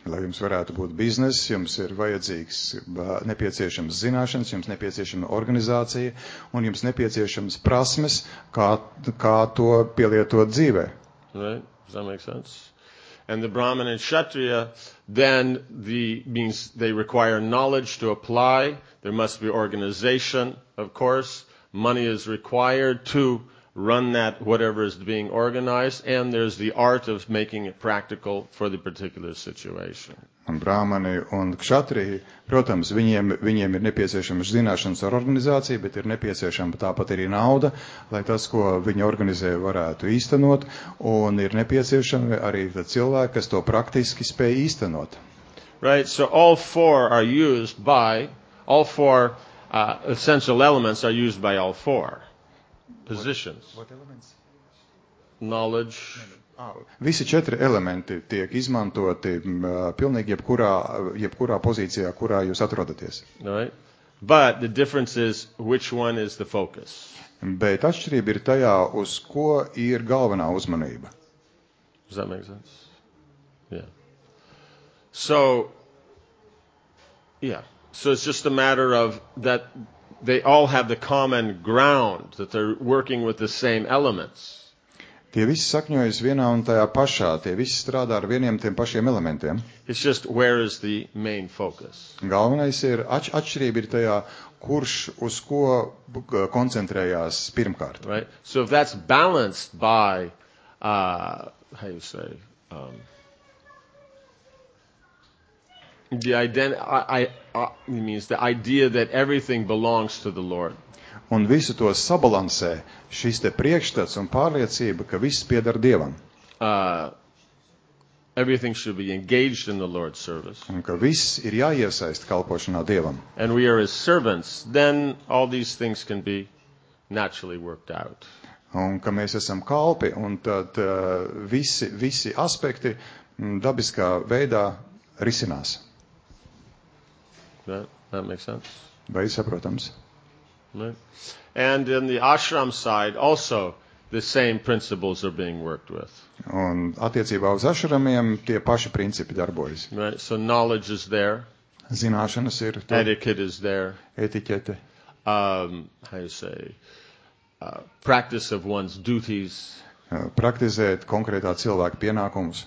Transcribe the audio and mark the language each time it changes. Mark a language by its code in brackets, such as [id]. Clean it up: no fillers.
[lv] Lai jums varētu būt biznes, jums ir vajadzīgs nepieciešams zināšanas, jums nepieciešama organizācija, un jums nepieciešams prasmes, kā to pielietot dzīvē. [en] Right? Does that make sense? And the Brahmin and Kshatriya, then the means they require knowledge to apply, there must be organization, of course, money is required to run that whatever is being organized, and there's the art of making it practical for the particular situation. [lv] Un brāmani un kšatri, protams, viņiem ir nepieciešamas zināšanas ar organizāciju, bet ir nepieciešama tāpat arī nauda, lai tas, ko viņi organizē, varētu īstenot, un ir nepieciešami arī cilvēki, kas to praktiski spēj īstenot. [en] Right, so all four are used by, all four essential elements are used by all four. Positions. What elements? Knowledge. [lv] Visi četri elementi tiek izmantoti pilnīgi jebkurā pozīcijā, kurā jūs atrodaties. [en] Right. But the difference is which one is the focus. [lv] Bet atšķirība ir tajā, uz ko ir galvenā uzmanība. [en] Does that make sense? Yeah. So, yeah. So it's just a matter of that they all have the common ground, that they're working with the same elements. [lv] Tie visi sakņojas vienā un tajā pašā, tie visi strādā ar vieniem tiem pašiem elementiem. [en] It's just where is the main focus. [lv] Galvenais ir, atšķirība ir tajā, kurš uz ko koncentrējās pirmkārt. [en] Right? So if that's balanced by, how you say, the idea that everything belongs to the Lord. [lv] Un visu to sabalansē šis te priekšstats un pārliecība, ka viss pieder Dievam. [en] Everything should be engaged in the Lord's service. [lv] Un ka viss ir jāiesaist kalpošanā Dievam. [en] And we are his servants, then all these things can be naturally worked out. [lv] Un ka mēs esam kalpi, un tad visi aspekti dabiskā veidā risinās. [en] That makes sense. [lv] Vai saprotams? [en] Right. And in the ashram side also the same principles are being worked with. [lv] Un attiecībā uz ashramiem tie paši principi darbojas. [en] Right. So knowledge is there. [lv] Zināšanas ir tur. [en] Etiquette is there. [lv] Etiķete. [en] How you say, practice of one's duties. [lv] Praktizēt konkrētā cilvēka pienākumus.